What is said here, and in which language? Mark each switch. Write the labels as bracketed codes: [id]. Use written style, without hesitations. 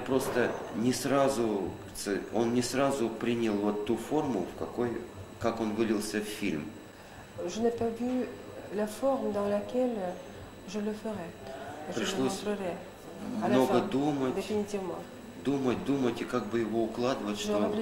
[ru] просто не сразу, он не сразу принял вот ту форму, в какой, как он вылился в фильм. [fr] Je n'ai pas vu la forme dans laquelle je le ferai. [ru] Пришлось много думать и как бы его укладывать, что.